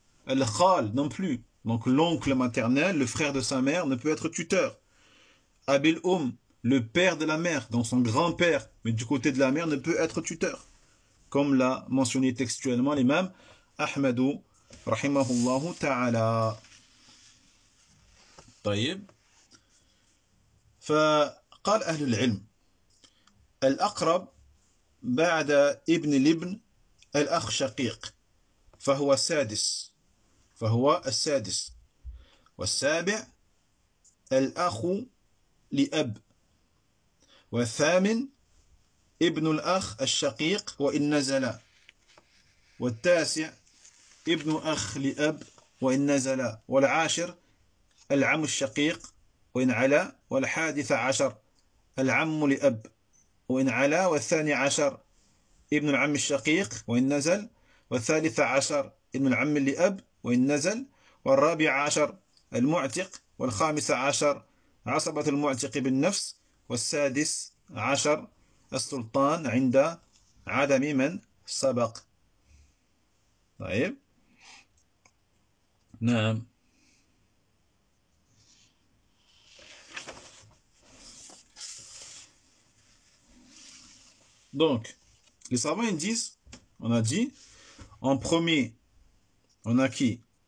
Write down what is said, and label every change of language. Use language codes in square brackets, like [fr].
[fr] Al-Khal non plus. Donc l'oncle maternel, le frère de sa mère, ne peut être tuteur. Abil-Oum, le père de la mère, donc son grand-père, mais du côté de la mère, ne peut être tuteur. Comme l'a mentionné textuellement l'imam Ahmadou, [ar] rahimahullahu ta'ala. طيب فقال أهل العلم الأقرب بعد ابن الابن الأخ شقيق فهو السادس فهو السادس والسابع الأخ لأب والثامن ابن الأخ الشقيق وإن نزل والتاسع ابن أخ لأب وإن نزل والعاشر العم الشقيق وإن علا والحادث عشر العم لأب وإن علا والثاني عشر ابن العم الشقيق وإن نزل والثالث عشر ابن العم لأب وإن نزل والرابع عشر المعتق والخامس عشر عصبة المعتق بالنفس والسادس عشر السلطان عند عدم من سبق. طيب نعم [fr] Donc, les savants ils disent, on a dit, en premier, on a qui?